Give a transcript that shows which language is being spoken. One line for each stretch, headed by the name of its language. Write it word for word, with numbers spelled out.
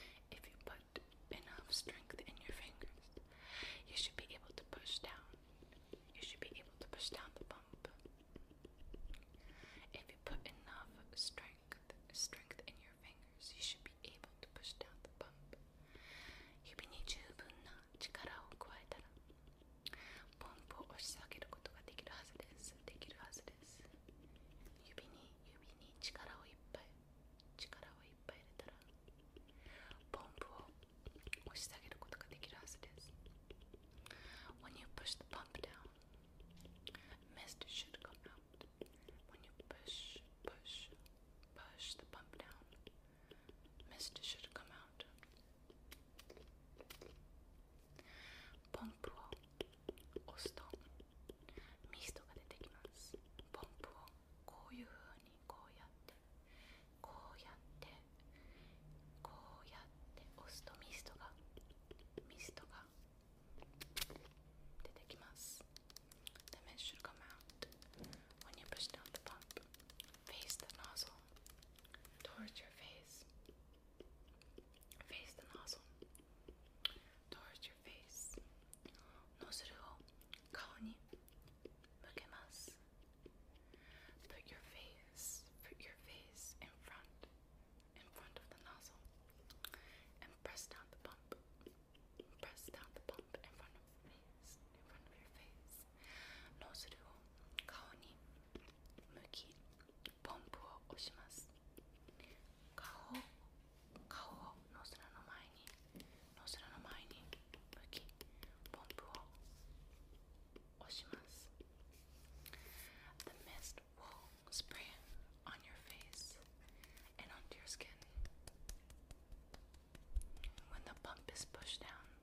English: If you put enough strength in your fingers, you should be able to push down. You should be able to push down the pump. If you put enough strength, strength in your fingers, you should be able to push down the pump.
Japanese: 指に十分な力を加えたら、ポンプを押し下げることができるはずです。できるはずです。指に指に力をいっぱい力をいっぱい入れたら、ポンプを押し下げることができるはずです。
English: When you push the pump down, mist should come out. When you push, push, push the pump down, mist should come out.
Japanese: ポンプを押すとミストが出てきます。ポンプをこういう風にこうやってこうやってこうやって押すとミストがミストが出てきます。
English: The mist should come out. When you push down the pump, face the nozzle towards your face. Face the nozzle towards your face.
Japanese: ノズルを顔に向けます。
English: Put your face, put your face in front, in front of the nozzle, and press down the pump. Press down the pump in front of your face, in front of your face.
Japanese: ノズルを顔に向き、ポンプを押します。顔を顔をノズルの前にノズルの前に向き、ポンプを押します。
English: The mist will spray on your face and onto your skin. When the pump is pushed down,